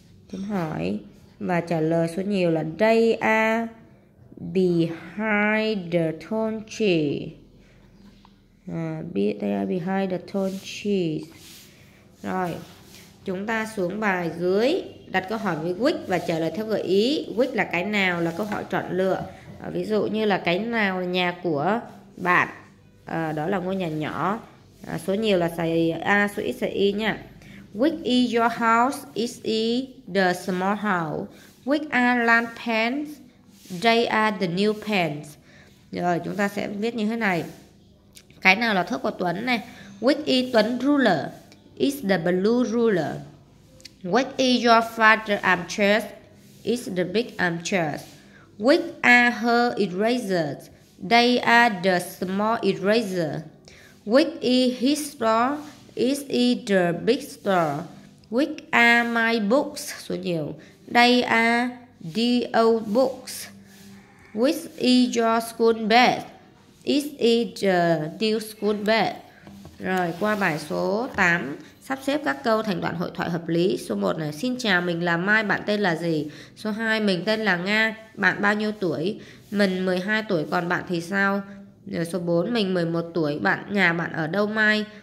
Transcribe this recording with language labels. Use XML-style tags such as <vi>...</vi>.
<vi>Chúng hỏi và trả lời số nhiều là</vi> <en>they are behind the tall tree. They are behind the tall tree.</en> <vi>Rồi, chúng ta xuống bài dưới, đặt câu hỏi với which và trả lời theo gợi ý. Which là cái nào là câu hỏi chọn lựa. Ví dụ như là cái nào là nhà của bạn, đó là ngôi nhà nhỏ. Số nhiều là xài A, số ít xài Y nha.</vi> <en>Which is your house? It is the small house. Which are lamp pens? They are the new pens.</en> <vi>Rồi chúng ta sẽ viết như thế này. Cái nào là thước của Tuấn này?</vi> <en>Which is Tuấn ruler? It's the blue ruler. Which is your father's armchair? It's the big armchair. Which are her erasers? They are the small eraser. Which is his store? Is it the big store? Which are my books?</en> <vi>Số nhiều.</vi> <en>They are the old books. Which is your school bag? Is it the new school bag?</en> <vi>Rồi qua bài số 8, sắp xếp các câu thành đoạn hội thoại hợp lý. Số 1 này, xin chào, mình là Mai, bạn tên là gì? Số 2, mình tên là Nga, bạn bao nhiêu tuổi? Mình 12 tuổi, còn bạn thì sao? Rồi số 4, mình 11 tuổi, bạn nhà bạn ở đâu Mai?</vi>